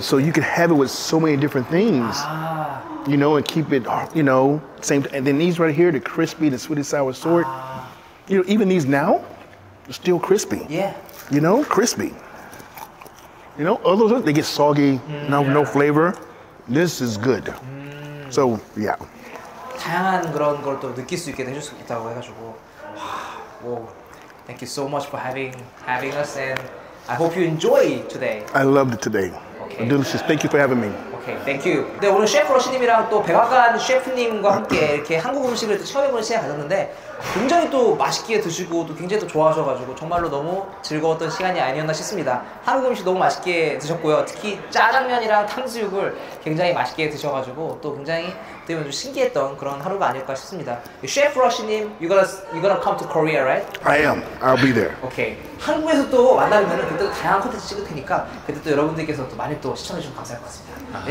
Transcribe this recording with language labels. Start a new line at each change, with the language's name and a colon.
English: So you can have it with so many different things, you know, and keep it, you know, same. And then these right here, the crispy, the sweet and sour sort, you know, even these now, still crispy. Yeah. You know, crispy. You know, others, they get soggy, no flavor. This is good. So, yeah.
Korean: 다양한 그런 걸 또 느낄 수 있게 해줄 수 있다고 해가지고.
English: Wow. Thank you so much for having us, and I hope you enjoy today. I loved it today. Okay. Delicious. Thank you for having me. Okay, thank you.
Korean: 네, 오늘 셰프 러시님이랑 또 백악관 셰프님과 함께 이렇게 한국 음식을 처음해보는 시간 가졌는데 굉장히 또 맛있게 드시고 또 굉장히 또 좋아하셔가지고 정말로 너무 즐거웠던 시간이 아니었나 싶습니다. 한국 음식 너무 맛있게 드셨고요. 특히 짜장면이랑 탕수육을 굉장히 맛있게 드셔가지고 또 굉장히 되면 좀 신기했던 그런 하루가 아닐까 싶습니다.
English: 셰프 러시님, you gonna come to Korea, right? I am. I'll be there. Okay.
Korean: 한국에서 또 만나면 그때 또 다양한 콘텐츠 찍을 테니까 그때 또 여러분들께서 또 많이 또 시청해 주시면 감사할 것 같습니다.